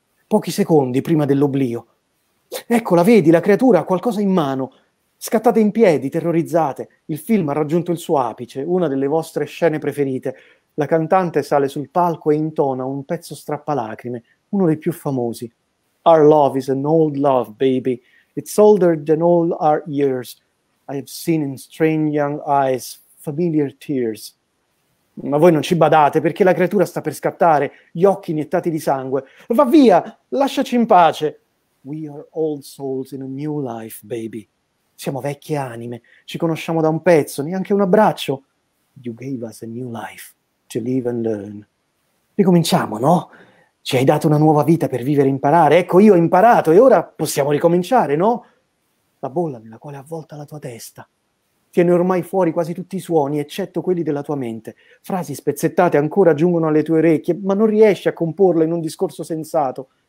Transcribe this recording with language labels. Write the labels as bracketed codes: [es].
[it] Pochi secondi prima dell'oblio. Ecco, la vedi, la creatura ha qualcosa in mano. Scattate in piedi, terrorizzate. Il film ha raggiunto il suo apice, una delle vostre scene preferite. La cantante sale sul palco e intona un pezzo strappalacrime, uno dei più famosi. [en] Our love is an old love, baby. It's older than all our years. I have seen in strange young eyes familiar tears. [it] Ma voi non ci badate, perché la creatura sta per scattare, gli occhi iniettati di sangue. Va via, lasciaci in pace. [en] We are old souls in a new life, baby. [it] Siamo vecchie anime, ci conosciamo da un pezzo, neanche un abbraccio. [en] You gave us a new life to live and learn. [it] Ricominciamo, no? Ci hai dato una nuova vita per vivere e imparare. Ecco, io ho imparato e ora possiamo ricominciare, no? La bolla nella quale è avvolta la tua testa. Tiene ormai fuori quasi tutti i suoni, eccetto quelli della tua mente. Frasi spezzettate ancora giungono alle tue orecchie, ma non riesci a comporle in un discorso sensato.